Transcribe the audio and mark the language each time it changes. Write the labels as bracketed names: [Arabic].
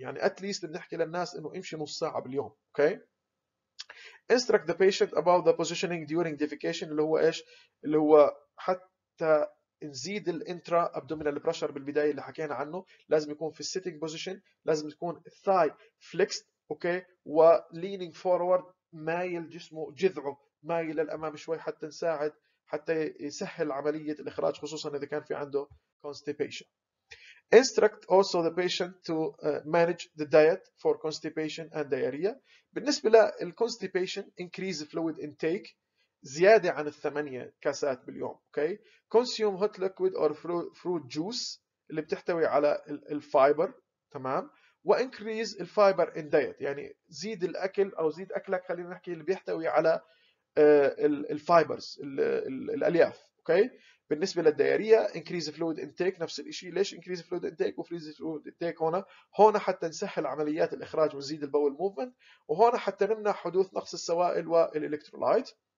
[Arabic] يعني اتليست بنحكي للناس انه امشي نص ساعه باليوم. اوكي، [English] instruct the patient about the positioning during defecation، [Arabic] اللي هو ايش؟ اللي هو حتى نزيد الانترا ابدومينال بريشر بالبدايه اللي حكينا عنه، لازم يكون في السيتنج بوزيشن، لازم تكون الثاي فليكسد اوكي، وليينينج فورورد، مايل جسمه، جذعه مايل للامام شوي حتى نساعد، حتى يسهل عمليه الاخراج، خصوصا اذا كان في عنده constipation. [English] Instruct also the patient to manage the diet for constipation and diarrhea. [Arabic] بالنسبة للconstipation, [English] increase fluid intake [Arabic] زيادة عن الثمانية كاسات باليوم. [English] Okay. Consume hot liquid or fruit juice [Arabic] اللي بتحتوي على الفايبر. تمام. [English] وincrease the fiber in diet. [Arabic] يعني زيد الأكل أو زيد أكلك، خلينا نحكي اللي بيحتوي على الفايبرز الألياف. [English] Okay. [Arabic] بالنسبة للدياريه [English] increase fluid intake [Arabic] نفس الشيء. ليش increase fluid intake وfreeze fluid intake؟ هنا حتى نسهل عمليات الإخراج ونزيد البول movement، وهنا حتى نمنع حدوث نقص السوائل والإلكترولايت.